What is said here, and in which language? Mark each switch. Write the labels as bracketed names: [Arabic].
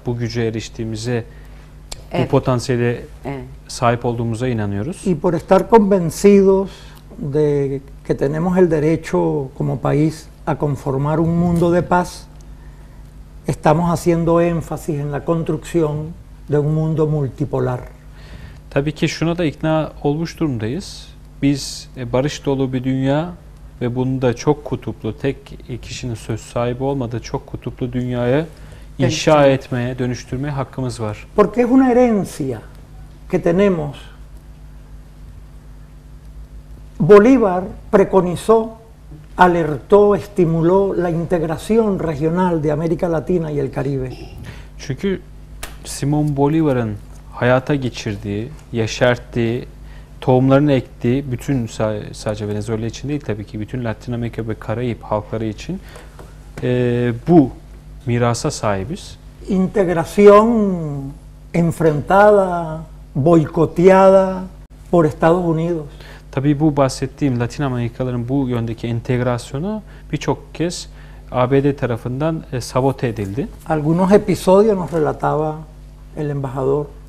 [Turkish] Bu güce eriştiğimize, evet, bu potansiyele, evet, sahip olduğumuza inanıyoruz. [Spanish] Y por estar convencidos de que tenemos el derecho como país a conformar un mundo de paz, estamos haciendo énfasis en la construcción de un mundo multipolar. [Turkish] Tabii ki şuna da ikna olmuş durumdayız. Biz barış dolu bir dünya ve bunda çok kutuplu, tek kişinin söz sahibi olmadığı çok kutuplu dünyayı inşa etmeye, dönüştürmeye hakkımız var. [Spanish] Porque es una herencia que tenemos. Bolívar preconizó, alertó, estimuló la integración regional de América Latina y el Caribe. [Turkish] Çünkü Simón Bolívar'ın hayata geçirdiği, yeşerttiği, tohumlarını ektiği, bütün sadece Venezuela için değil tabii ki bütün Latin Amerika ve Karayip halkları için bu mirasa sahibiz. [Spanish] Integración enfrentada, boicoteada por Estados Unidos. [Turkish] Tabii bu bahsettiğim Latin Amerikalıların bu yöndeki entegrasyonu birçok kez ABD tarafından sabote edildi. [Spanish] Algunos episodios nos relataba el embajador.